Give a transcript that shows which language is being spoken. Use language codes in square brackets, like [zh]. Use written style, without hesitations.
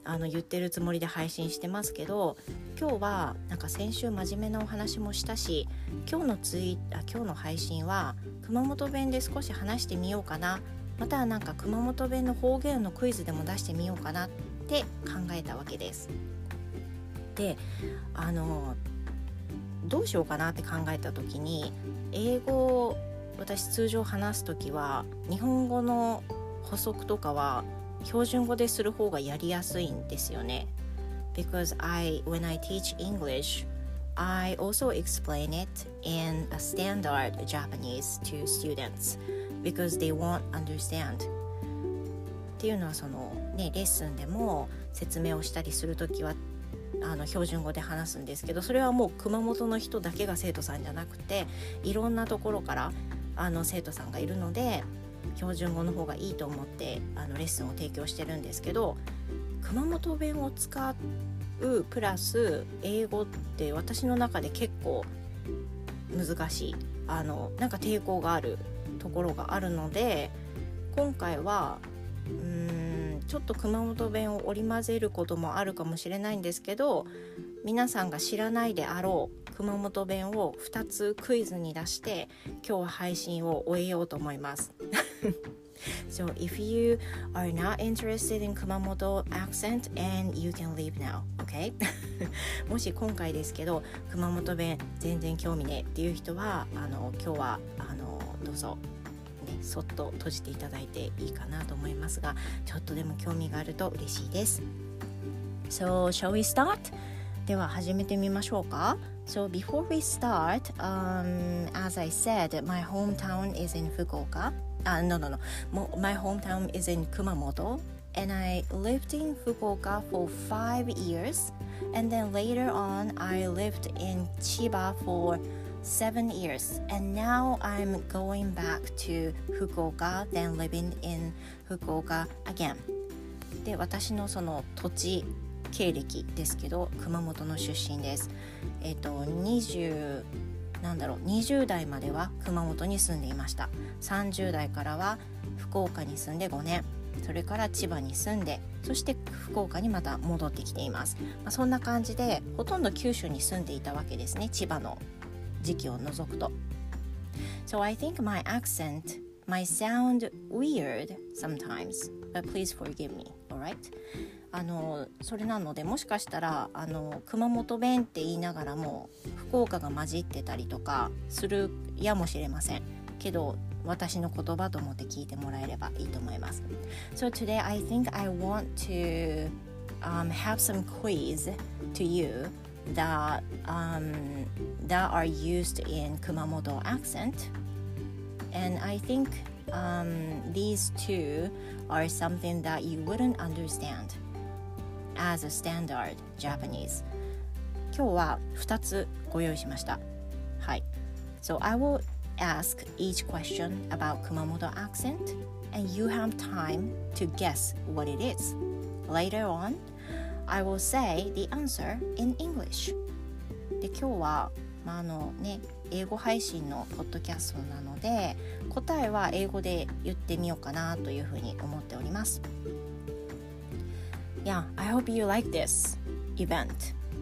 [ja] 言ってるつもりで配信してますけど、今日はなんか先週真面目なお話もしたし、今日の配信は熊本弁で少し話してみようかな、またはなんか熊本弁の方言のクイズでも出してみようかなって考えたわけです。で、どうしようかなって考えた時に、英語を私通常話す時は日本語の補足とかは標準語でする方がやりやすいんですよね。 [en] Because when I teach English, I also explain it in a standard Japanese to students because they won't understand. [ja] っていうのはそのね、レッスンでも説明をしたりする時は標準語で話すんですけど、それはもう熊本の人だけが生徒さんじゃなくて、いろんなところから生徒さんがいるので、標準語の方がいいと思ってレッスンを提供してるんですけど、熊本弁を使うプラス英語って私の中で結構難しい、なんか抵抗があるところがあるので、今回はちょっと熊本弁を織り交ぜることもあるかもしれないんですけど、皆さんが知らないであろう熊本弁を2つクイズに出して今日配信を終えようと思います。 [en] So if you are not interested in 熊本 accent and you can leave now, okay? [ja] もし今回ですけど熊本弁全然興味ねっていう人は今日はどうぞそっと閉じていただいていいかなと思いますが、ちょっとでも興味があると嬉しいです。 [en] So shall we start? [ja] では始めてみましょうか。 [en] So before we start, as I said, my hometown is in Fukuoka. My hometown is in Kumamoto. And I lived in Fukuoka for 5 years. And then later on, I lived in Chiba for 7 years, and now I'm going back to Fukuoka, then living in Fukuoka again. [ja] で、私のその土地経歴ですけど、熊本の出身です。 20代までは熊本に住んでいました。 30代からは福岡に住んで5年、それから千葉に住んで、そして福岡にまた戻ってきています。まあ、そんな感じで、ほとんど九州に住んでいたわけですね、千葉の。時期を除くと。 [en] So I think my accent might sound weird sometimes, but please forgive me, alright? [ja] それなので、もしかしたら熊本弁って言いながらも福岡が混じってたりとかするやもしれませんけど、私の言葉と思って聞いてもらえればいいと思います。 [en] So today I think I want to have some quiz to youThat are used in Kumamoto accent, and I think these two are something that you wouldn't understand as a standard Japanese. [ja] 今日は2つご用意しました。はい。 [en] So I will ask each question about Kumamoto accent, and you have time to guess what it is. Later on. I will say the answer in English. [ja] で、今日は、まあね、英語配信のポッドキャストなので、答えは英語で言ってみようかなというふうに思っております。 [en] Yeah, I hope you like this event.